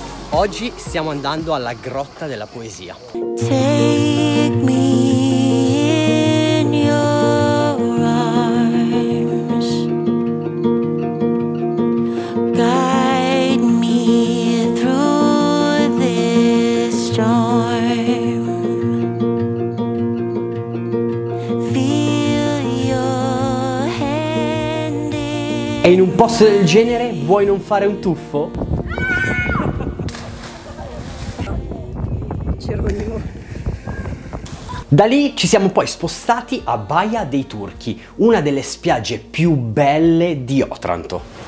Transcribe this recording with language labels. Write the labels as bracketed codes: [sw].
[it] Oggi stiamo andando alla Grotta della Poesia. [en] Take me in your arms, guide me through this storm, feel your hand in... [it] E in un posto del genere vuoi non fare un tuffo? Da lì ci siamo poi spostati a Baia dei Turchi, una delle spiagge più belle di Otranto.